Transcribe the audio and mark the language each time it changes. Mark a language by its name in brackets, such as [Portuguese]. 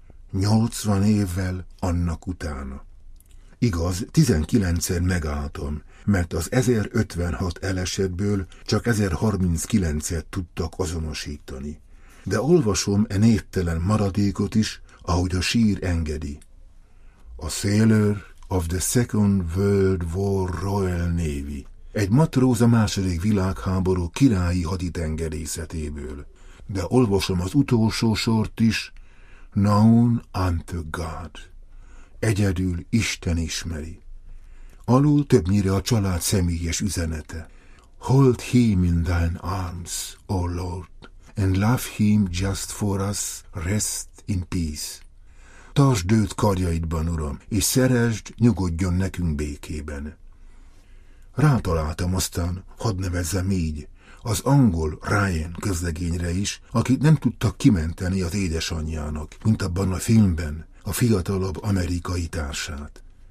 [Hungarian] 80 évvel annak utána. Igaz, 19-szer megálltam, mert az 1056 elesetből csak 1039-et tudtak azonosítani. De olvasom e névtelen maradékot is, ahogy a sír engedi. [English] A Sailor of the Second World War Royal Navy. [Hungarian] Egy matróz a II. Világháború királyi haditengerészetéből. De olvasom az utolsó sort is, [English] Known unto God. [Hungarian] Egyedül Isten ismeri. Alul többnyire a család személyes üzenete. [English] Hold him in thine arms, O Lord, and love him just for us, rest in peace. [Hungarian] Tartsd őt karjaidban, Uram, és szeresd, nyugodjon nekünk békében. Rátaláltam aztán, hadd nevezzem így, az angol Ryan közlegényre is, akit nem tudtak kimenteni az édesanyjának, mint abban a filmben a fiatalabb amerikai társát.